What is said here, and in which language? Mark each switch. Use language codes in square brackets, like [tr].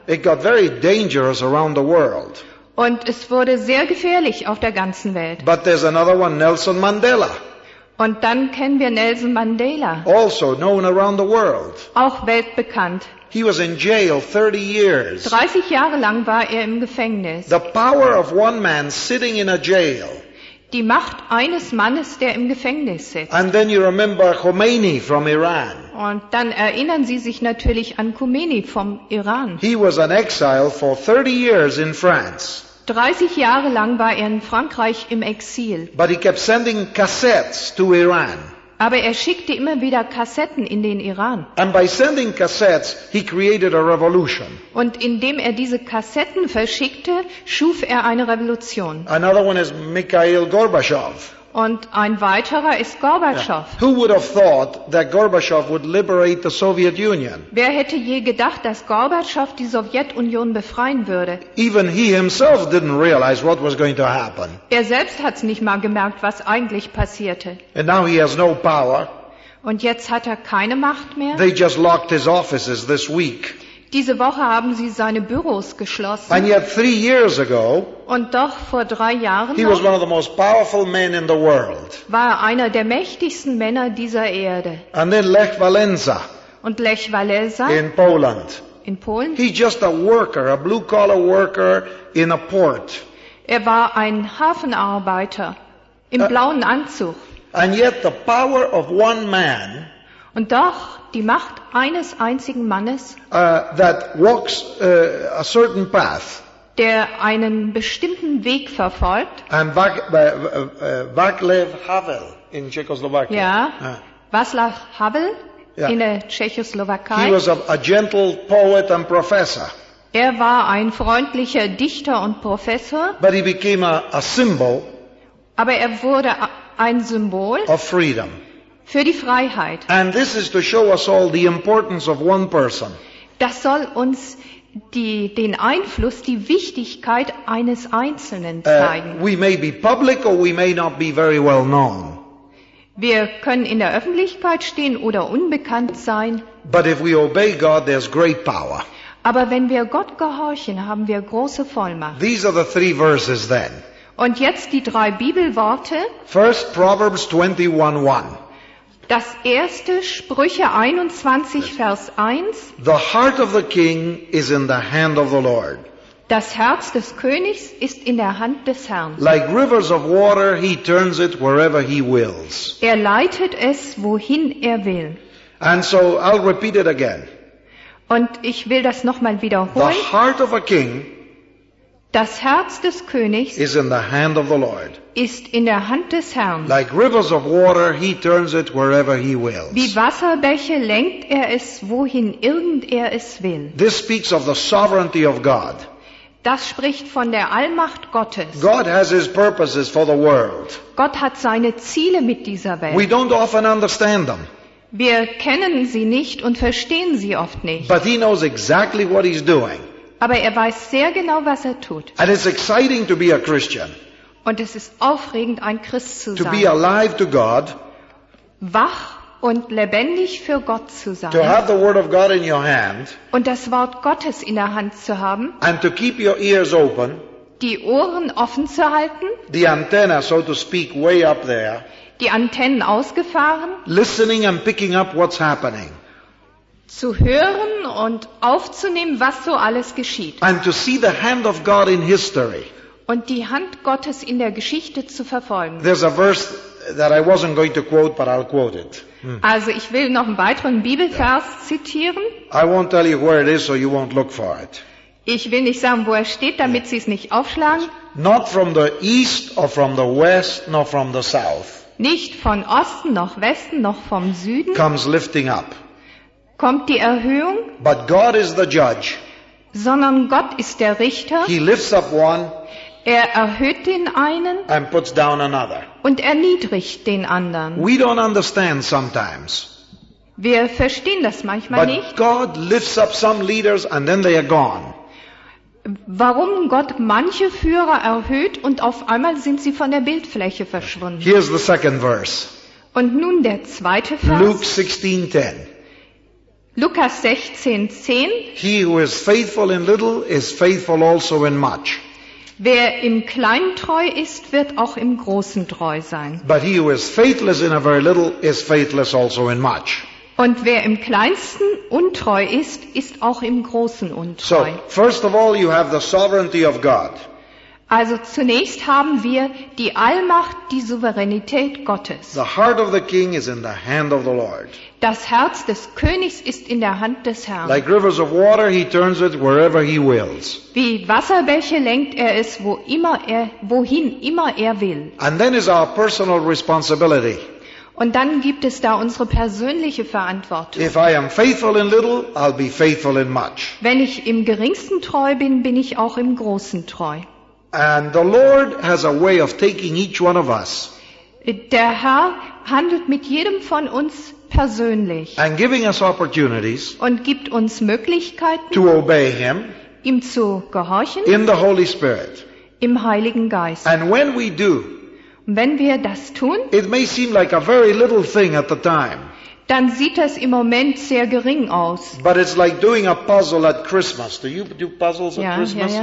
[en] It got very dangerous around the world. [de] Und es wurde sehr gefährlich auf der ganzen Welt. [en] But there's another one, Nelson Mandela. [de] Und dann kennen wir Nelson Mandela. [en] Also known around the world. [de] Auch weltbekannt. [en] He was in jail 30 years. [de] 30 Jahre lang war er im Gefängnis. [en] The power of one man sitting in a jail. [de] Die Macht eines Mannes, der im Gefängnis sitzt. [en] And then you remember Khomeini from Iran. [de] Und dann erinnern Sie sich natürlich an Khomeini vom Iran. [en] He was an exile for 30 years in France. [de] 30 Jahre lang war er in Frankreich im Exil. [en] But he kept sending cassettes to Iran. [de] Aber er schickte immer wieder Kassetten in den Iran. [en] And by sending cassettes, he created a revolution. [de] Und indem er diese Kassetten verschickte, schuf er eine Revolution. [en] Another one is Mikhail Gorbachev. [de] Und ein weiterer ist Gorbatschow. [en] Who would have thought that Gorbachev would liberate the Soviet Union? [de] Wer hätte je gedacht, dass Gorbatschow die Sowjetunion befreien würde? [en] Even he himself didn't realize what was going to happen. [de] Er selbst hat's nicht mal gemerkt, was eigentlich passierte. [en] And now he has no power. [de] Und jetzt hat er keine Macht mehr. [en] They just locked his offices this week. [de] Diese Woche haben sie seine Büros geschlossen. [en] And yet 3 years ago, [de] und doch vor 3 Jahren [en] he was one of the most powerful men in the world. [de] War einer der mächtigsten Männer dieser Erde. [en] And then Lech Walesa. [de] Und Lech Walesa [en] in Poland. [de] In Polen. [en] He's just a worker, a blue-collar worker in a port. [de] Er war ein Hafenarbeiter im blauen Anzug. [en] And yet the power of one man. [de] Und doch die Macht eines einzigen Mannes. [en] That walks a certain path. [de] Der einen bestimmten Weg verfolgt. [en] And Václav Havel in Czechoslovakia. [de] Ja. Václav Havel. [en] Yeah. [de] In der Tschechoslowakei. [en] He was a gentle poet and professor. [de] Er war ein freundlicher Dichter und Professor. [en] But he became a symbol. [de] Aber er wurde ein Symbol [en] of freedom. [de] Für die Freiheit. [en] And this is to show us all the importance of one person. [de] Das soll uns den Einfluss, die Wichtigkeit eines Einzelnen zeigen. [en] We may be public or we may not be very well known. [de] Wir können in der Öffentlichkeit stehen oder unbekannt sein. [en] But if we obey God, there's great power. [de] Aber wenn wir Gott gehorchen, haben wir große Vollmacht. [en] These are the 3 verses then. [de] Und jetzt die 3 Bibelworte. [en] First, Proverbs 21:1. [de] Das erste, Sprüche 21, [en] yes. [de] Vers 1. [en] The heart of the king is in the hand of the Lord. [de] Das Herz des Königs ist in der Hand des Herrn. [en] Like rivers of water, he turns it wherever he wills. [de] Er leitet es, wohin er will. [en] And so I'll repeat it again. [de] Und ich will das nochmal wiederholen. [en] The heart of a king, [de] das Herz des Königs, [en] is in the hand of the Lord. [de] Ist in der Hand des Herrn. [en] Like rivers of water, he turns it wherever he wills. [de] Wie Wasserbäche lenkt er es, wohin irgend er es will. [en] This speaks of the sovereignty of God. [de] Das spricht von der Allmacht Gottes. [en] God has his purposes for the world. [de] Gott hat seine Ziele mit dieser Welt. [en] We don't often understand them. [de] Wir kennen sie nicht und verstehen sie oft nicht. [en] But he knows exactly what he's doing. [de] Aber er weiß sehr genau, was er tut. [en] And it's exciting to be a Christian. [de] Und es ist aufregend, ein Christ zu sein. [en] To be alive to God. [de] Wach und lebendig für Gott zu sein. [en] To have the word of God in your hand. [de] Und das Wort Gottes in der Hand zu haben. [en] And to keep your ears open. [de] Die Ohren offen zu halten. [en] The antenna, so to speak, way up there. [de] Die Antennen ausgefahren. [en] Listening and picking up what's happening. [de] Zu hören und aufzunehmen, was so alles geschieht. [en] And to see the hand of God in history. [de] Und die Hand Gottes in der Geschichte zu verfolgen. [en] There's a verse that I wasn't going to quote, but I'll quote it. [de] Also ich will noch einen weiteren Bibelvers zitieren. [en] I won't tell you where it is, so you won't look for it. [de] Ich will nicht sagen, wo er steht, damit Sie es nicht aufschlagen. [en] Not from the east or from the west, nor from the south. [de] Nicht von Osten noch Westen noch vom Süden. [en] Comes lifting up. [de] Kommt die Erhöhung. [en] But God is the judge. [de] Sondern Gott ist der Richter. [en] He lifts up one. [de] Er erhöht den einen [en] and puts down another. [de] Und erniedrigt den anderen. [en] We don't understand sometimes. [de] Wir verstehen das manchmal [en] but [de] nicht. [en] But God lifts up some leaders and then they are gone. [de] Warum Gott manche Führer erhöht und auf einmal sind sie von der Bildfläche verschwunden. [en] Here's the second verse. [de] Und nun der zweite Vers. [en] Luke 16:10. [de] Lukas 16:10. [en] He who is faithful in little is faithful also in much. [de] Wer im Kleinen treu ist, wird auch im Großen treu sein. [en] But he who is faithless in a very little is faithless also in much. [de] Und wer im Kleinsten untreu ist, ist auch im Großen untreu. [en] So, first of all, you have the sovereignty of God. [de] Also zunächst haben wir die Allmacht, die Souveränität Gottes. [en] The heart of the king is in the hand of the Lord. [de] Das Herz des Königs ist in der Hand des Herrn. [en] Like rivers of water, he turns it wherever he wills. [de] Wie Wasserbäche lenkt er es, wohin immer er will. [en] And then is our personal responsibility. [de] Und dann gibt es da unsere persönliche Verantwortung. [en] If I am faithful in little, I'll be faithful in much. [de] Wenn ich im Geringsten treu bin, bin ich auch im Großen treu. [en] And the Lord has a way of taking each one of us. [de] Der Herr handelt mit jedem von uns persönlich. [en] And giving us opportunities. [de] Und gibt uns Möglichkeiten. [en] To obey him. [de] Ihm zu gehorchen. [en] In the Holy Spirit. [de] Im Heiligen Geist. [en] And when we do. [de] Wenn wir das tun, [en] it may seem like a very little thing at the time. [de] dann sieht das im Moment sehr gering aus. [en] But it's like doing a puzzle at Christmas. Do you do puzzles at Christmas?